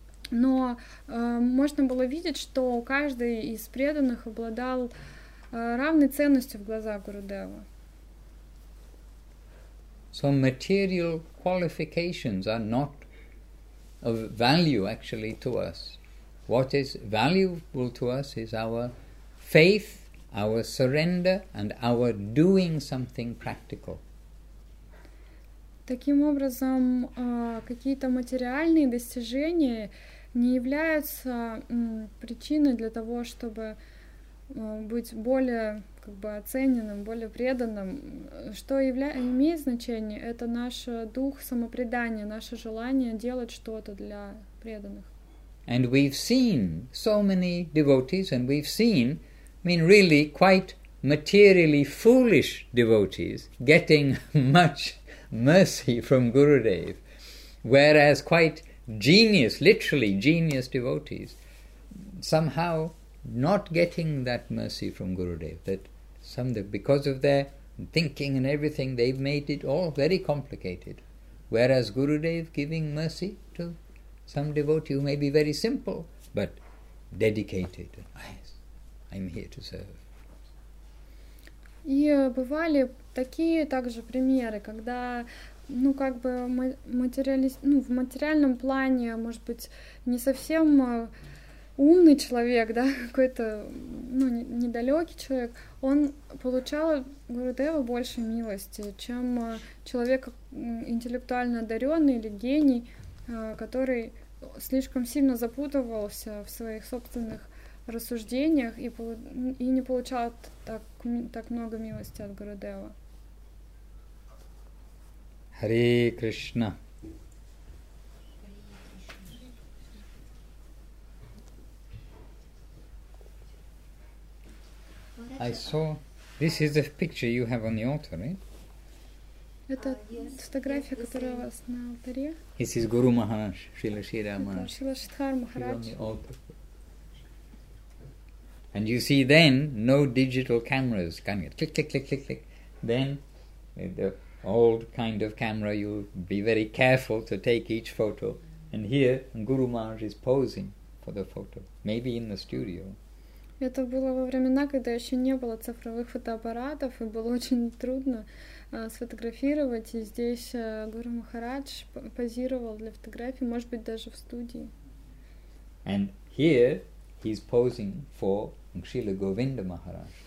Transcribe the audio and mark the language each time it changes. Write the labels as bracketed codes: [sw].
[ru] Но можно было видеть, что каждый из преданных обладал равной ценностью в глазах Гурудева. [en] So material qualifications are not of value actually to us. What is valuable to us is our faith, our surrender, and our doing something practical. [ru] Таким образом, какие-то материальные достижения не являются причиной для того, чтобы быть более оцененным, более преданным. Что имеет значение, это наш дух самопредания, наше желание делать что-то для преданных. [en] And we've seen so many devotees, and we've seen, I mean, really quite materially foolish devotees getting much mercy from Gurudev, whereas quite genius, literally genius devotees, somehow not getting that mercy from Gurudev, that some, because of their thinking and everything, they've made it all very complicated. Whereas Gurudev giving mercy to some devotee who may be very simple, but dedicated, yes, I'm here to serve. [ru] И бывали такие также примеры, когда, ну, как бы в материальном плане, может быть, не совсем умный человек, да, какой-то, ну, недалекий человек, он получал Гурудева больше милости, чем человек интеллектуально одаренный или гений, который слишком сильно запутывался в своих собственных рассуждениях и не получал так много милости от Гурудева. Харе Кришна. [en] I saw this is the picture you have on the altar, right? [ru] Это фотография, которая у вас на алтаре. [en] This is Guru Maharaj, Srila Sridhara Maharaj. Srila Sridhara Maharaj. And you see then, no digital cameras coming. Click, click, click, click, click. Then, with the old kind of camera, you'll be very careful to take each photo. And here, Guru Maharaj is posing for the photo. Maybe in the studio. [ru] Это было во времена, когда еще не было цифровых фотоаппаратов, и было очень трудно сфотографировать. И здесь Гуру Махарадж позировал для фотографий, может быть, даже в студии. [en] And here he's posing for Шрила Говинда Махарадж.